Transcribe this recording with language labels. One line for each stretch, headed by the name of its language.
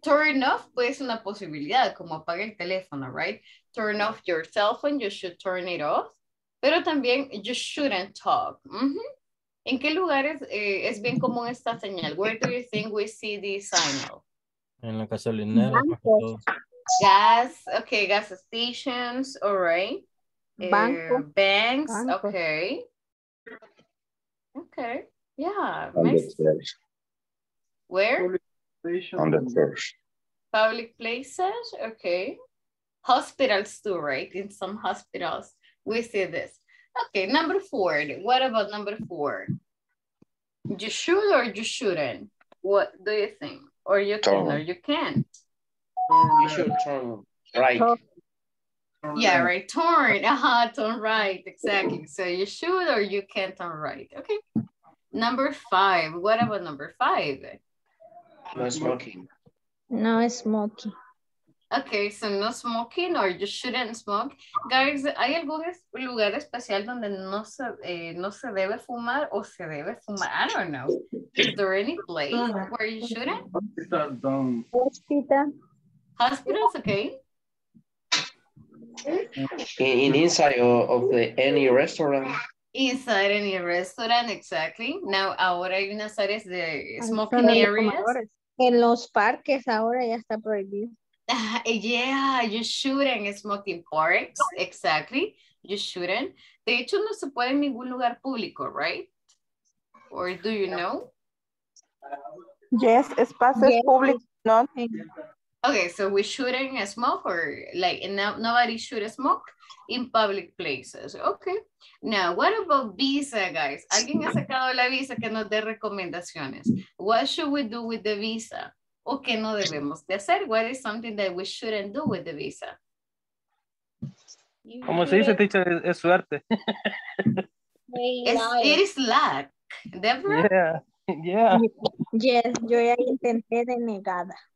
English: Turn off,
Spanish: pues una posibilidad, como apaga el teléfono, right?
English: Turn off your cell phone, you should turn it off.
Spanish: Pero también,
English: you shouldn't talk. Mm-hmm.
Spanish: ¿En qué lugares es bien común esta señal?
English: Where do you think we see this sign?
Spanish: En la gasolinera.
English: Gas stations, all right. Banks,
Spanish: banco.
English: Okay. Okay, yeah. Nice. Where? On the church. Public places, okay. Hospitals too, right? In some hospitals, we see this. Okay, number four. What about number four? You should or you shouldn't? What do you think? Or you can or you can't? You should turn right. Turn. Uh-huh, turn right, exactly. So you should or you can't turn right. Okay. Number five. What about number five? No smoking. Okay, so no smoking or you shouldn't smoke.
Spanish: Guys, ¿hay algún lugar especial donde no se debe fumar o se debe fumar?
English: I don't know. Is there any place where you shouldn't? Hospitals, okay. In inside of the, any restaurant. Inside any restaurant, exactly. Now,
Spanish: ahora hay unas áreas de
English: smoking areas.
Spanish: En los parques ahora ya está prohibido.
English: Yeah, you shouldn't smoke in parks. Exactly, you shouldn't.
Spanish: De hecho, no se puede en ningún lugar público, right?
English: Or do you know?
Spanish: Yes, espacios públicos, no.
English: Okay, so we shouldn't smoke or like nobody should smoke in public places. Okay, now what about visa, guys?
Spanish: ¿Alguien ha sacado la visa que nos dé recomendaciones?
English: What should we do with the visa?
Spanish: ¿O qué no debemos de hacer?
English: What is something that we shouldn't do with the visa?
Spanish: Como se dice, teacher, es suerte.
English: It is luck. Deborah? Yeah.
Spanish: Yes, yo ya intenté denegada.